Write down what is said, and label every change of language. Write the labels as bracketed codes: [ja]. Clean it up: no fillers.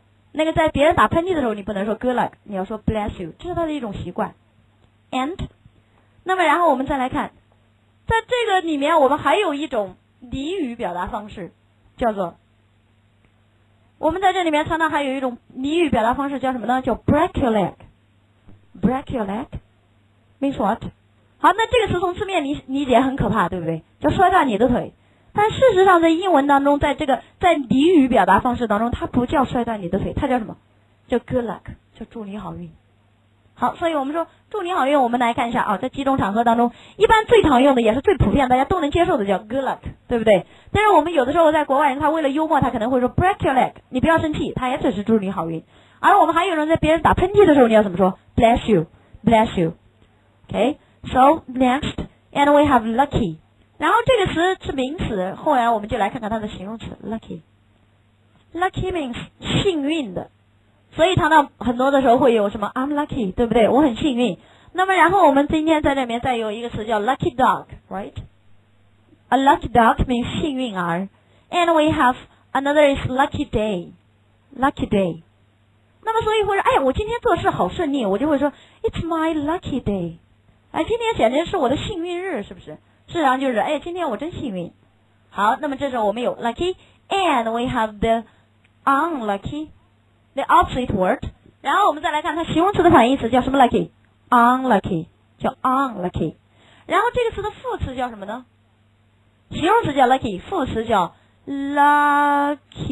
[zh] 那个在别人打喷嚏的时候你不能说 [en] good luck， [zh] 你要说 [en] bless you， [zh] 这是他的一种习惯。 and 那么然后我们再来看，在这个里面我们还有一种俚语表达方式，叫做我们在这里面常常还有一种俚语表达方式叫什么呢？叫 [en] break your leg。 break your leg means what？ [zh] 好，那这个词从字面理解很可怕，对不对？叫摔断你的腿。但事实上在英文当中，在这个在俚语表达方式当中，它不叫摔断你的腿，它叫什么？叫 [en] good luck， [zh] 叫祝你好运。好，所以我们说祝你好运，我们来看一下啊，在几种场合当中一般最常用的也是最普遍大家都能接受的叫 good luck， 对不对？但是我们有的时候在国外人他为了幽默他可能会说 [en] break your leg， [zh] 你不要生气，他也只是祝你好运。而我们还有人在别人打喷嚏的时候你要怎么说？ [en] bless you， bless you。 OK， so next and we have lucky。 [zh] 然后这个词是名词，后来我们就来看看它的形容词 lucky。 [en] lucky means [zh] 幸运的，所以常常很多的时候会有什么 [en] I'm lucky， [zh] 对不对？我很幸运。那么然后我们今天在这里面再有一个词叫 [en] lucky dog， right？ A lucky dog means [zh] 幸运儿。 [en] And we have another is lucky day， lucky day。 [zh] 那么所以会说哎呀，我今天做事好顺利，我就会说 [en] It's my lucky day， [zh] 哎，今天简直是我的幸运日，是不是？事实上就是哎，今天我真幸运。好，那么这时候我们有 [en] lucky and we have the unlucky， the opposite word。 [zh] 然后我们再来看它形容词的反义词叫什么 lucky？ unlucky， 叫 unlucky。然后这个词的副词叫什么呢？形容词叫 lucky， 副词叫 luckily。